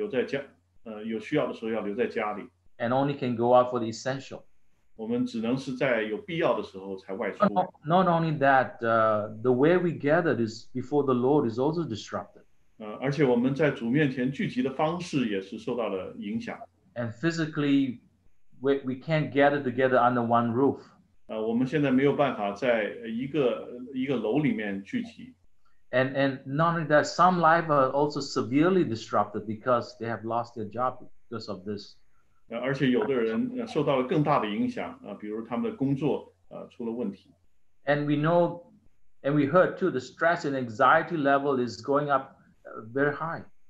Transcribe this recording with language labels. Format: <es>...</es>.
<zh>我们必须是遵守政府的规定，我们必须要留在家，有需要的时候要留在家里。</zh> <en>And only can go out for the essential.</en> <zh>我们只能是在有必要的时候才外出。</zh> <en>Not only that, the way we gathered is before the Lord is also disrupted.</en> <zh>而且我们在主面前聚集的方式也是受到了影响。</zh> <en>And physically, we can't gather together under one roof.</en> <zh>我们现在没有办法在一个楼里面聚集。</zh> <en>And not only that, some lives are also severely disrupted because they have lost their job because of this.</en> <zh>而且有的人受到了更大的影响，比如他们的工作出了问题。</zh> <en>And we know, and we heard too, the stress and anxiety level is going up very high.</en>